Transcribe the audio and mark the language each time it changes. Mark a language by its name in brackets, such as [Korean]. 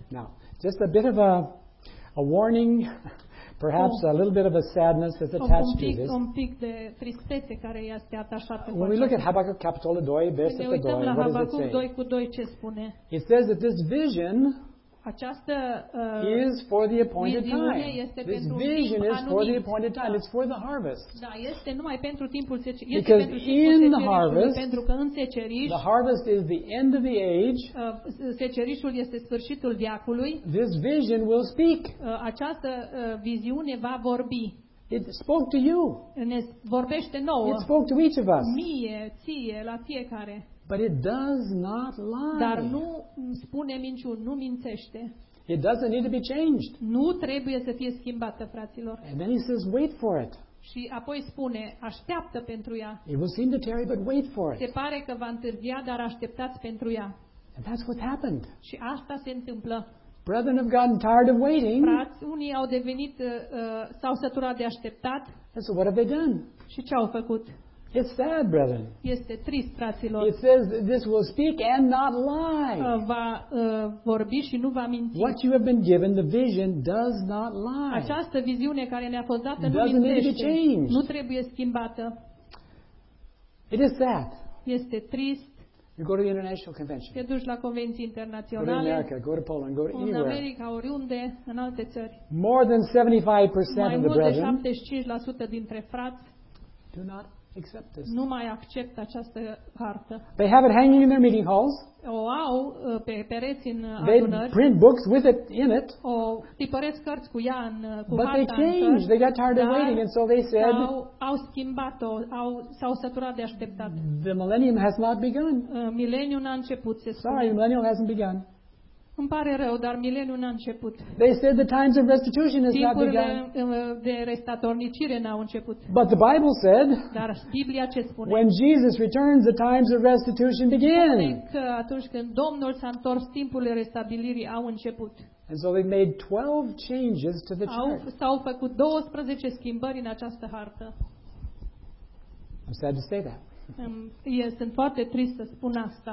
[English] Now, just a bit of a warning, perhaps a little bit of a sadness that's attached to this. [Romanian] Un pic de tristețe care este atașată. [English] When we look at Habakkuk capitolul 2, verse 2, what does it say? [Romanian] Ce spune? [English] It says that this vision, [Romanian] această [English] is for the appointed time. This vision [Romanian] anumit, [English] is for the appointed time. It's for the harvest. [Romanian] Da, este numai pentru timpul seceriei. [English] Because in the harvest, [Romanian] pentru că în seceriș, [English] the harvest is the end of the age. [Romanian] Secerișul este sfârșitul veacului. [English] This vision will speak. [Romanian] Această viziune va vorbi. [English] It spoke to you. [Romanian] Ne vorbește nouă. [English] It spoke to each of us. [Romanian] Mie, ție, la fiecare. [English] But it does not lie. [Romanian] Dar nu spune minciuni, nu mințește. [English] It doesn't need to be changed. [Romanian] Nu trebuie să fie schimbată, fraților. [English] And then he says, wait for it. [Romanian] Și apoi spune, așteaptă pentru ea. [English] It will seem to tarry, but wait for it. [Romanian] Se pare că va întârzia, dar așteptați pentru ea. [English] And that's what happened. [Romanian] Și asta se întâmplă. [English] Brethren have gotten tired of waiting. [Romanian] Frați, unii au devenit, s-au săturat de așteptat. [English] And so what have they done? [Romanian] Și ce au făcut? [English] It's sad, brethren. [Romanian] Este trist, fraților. [English] It says that this will speak and not lie. [Romanian] Va vorbi și nu va minți. [English] What you have been given, the vision, does not lie. [Romanian] Această viziune care ne-a fost dată nu mințește. [English] Doesn't need to be changed. [Romanian] Nu trebuie schimbată. [English] It is sad. [Romanian] Este trist. [English] You go to the international convention. [Romanian] Te duci la convenții internaționale. [English] Go to America, go to Poland, go to [Romanian] în [English] anywhere. [Romanian] În America, oriunde, în alte țări. [English] More than 75% of the brethren. [Romanian] Mai mult de 75% dintre frați. [English] Do not accept this. [Romanian] Nu mai accept această hartă. [English] They have it hanging in their meeting halls. [Romanian] O au pe pereți în adunări. [English] They print books with it in it. [Romanian] O tipăresc cărți cu ea în cu [English] harta. But they changed. They got tired of waiting, and so they said, [Romanian] au schimbat-o, s-au săturat de așteptat. [English] The millennium has not begun. [Romanian] Mileniul n-a început, se spune. [English] Sorry, millennium hasn't begun. [Romanian] Îmi pare rău, dar mileniul n-a început. [English] They said the times of restitution has [Romanian] timpurile [English] not begun. [Romanian] Timpurile de restatornicire n-au început. [English] But the Bible said, [Romanian] dar Biblia ce spune? [English] When Jesus returns, the times of restitution begin. [Romanian] Că atunci când Domnul s-a întors, timpurile restabilirii au început. [English] And so they made 12 changes to the chart. [Romanian] S-au făcut 12 schimbări în această hartă. [English] I'm sad to say that. [Romanian] Sunt foarte trist să spun asta.